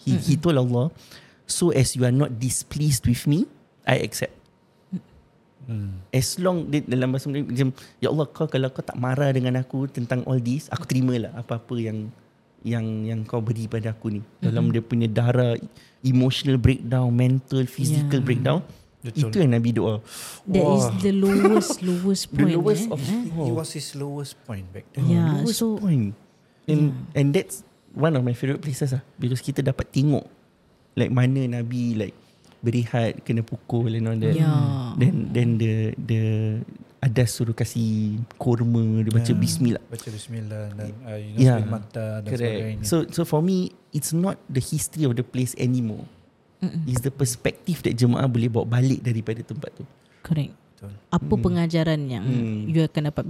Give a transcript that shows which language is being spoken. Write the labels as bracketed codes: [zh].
[en] He told Allah, so as you are not displeased with me, I accept. As long, [ms] dalam bahasa Melayu, macam, ya Allah, kalau kau tak marah dengan aku tentang [en] all this, [ms] aku terimalah apa-apa yang kau beri pada aku ni. Dalam dia punya darah, [en] emotional breakdown, mental, physical breakdown. [ms] Betul. Itu yang Nabi doa. [en] That is the lowest point. The lowest It was his lowest point back then. Yeah, lowest so, point. And that's one of my favorite places lah. Because [ms] kita dapat tengok like mana Nabi like berehat, kena pukul [en] and all that. Then the [ms] ada suruh kasi kurma, dia baca bismillah. Baca bismillah dan [en] you know, [ms] spill mata dan [en] correct. [ms] Sebagainya. [en] So for me, it's not the history of the place anymore. It's the perspective that [ms] jemaah boleh bawa balik daripada tempat tu. [en] Correct. [ms] Betul. Apa pengajaran yang you akan dapat?